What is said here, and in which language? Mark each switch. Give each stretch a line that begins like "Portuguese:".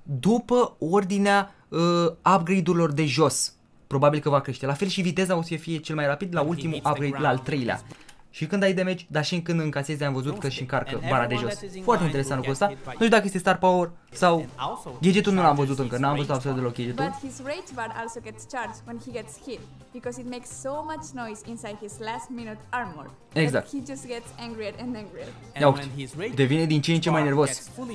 Romanian: După ordinea upgrade-urilor de jos, probabil că va crește. La fel și viteza o să fie cel mai rapid la ultimul upgrade, la al treilea. Și când ai damage, dar și când încasezi, am văzut că și încarcă bara de jos. Foarte interesant lucrul ăsta. Nu știu dacă este star power sau gadgetul, nu l-am văzut încă, n-am văzut absolut deloc gadgetul.
English: But his rage bar also gets charged when he gets hit because it makes so much noise inside his last minute armor.
Romanian: Exact.
English: He just gets angrier and angrier.
Romanian: Ia uite, devine din ce în ce mai nervos.